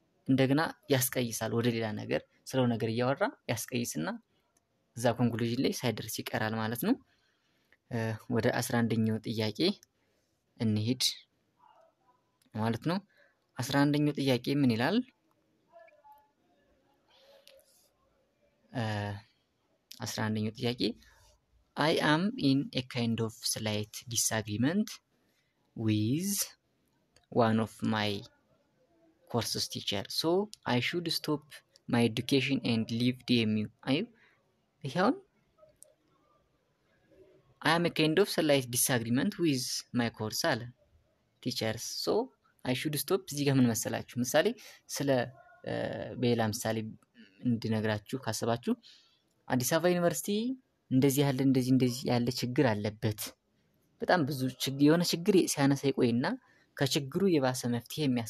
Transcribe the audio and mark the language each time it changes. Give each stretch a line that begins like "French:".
Amharic: እንደገና ያስቀይሳል ወደ ሌላ ነገር ስለው ነገር እያወራ ያስቀይስና እዛ ኮንክሉዥን ላይ ሳይደርስ ይቀራል ማለት ነው። ወደ 11ኛው ጥያቄ እንሂድ ማለት ነው። 11ኛው ጥያቄ ምን ይላል? 11ኛው ጥያቄ
English: I am in a kind of slight disagreement with one of my courses teacher. So I should stop my education and leave DMU. I am a kind of slight disagreement with my course teachers. So I should stop.
Amharic: እዚህ ጋር ምን መሰላችሁ? ምሳሌ ስለ በሌላ ምሳሌ እንድነግራችሁ ካሰባችሁ አዲስ አበባ ዩኒቨርሲቲ እንደዚህ ያለ ችግር አለበት። በጣም ብዙ ችግር የሆነ ችግር ሲያነሳ ይቆይና ከችግሩ የባሰ መፍትሄ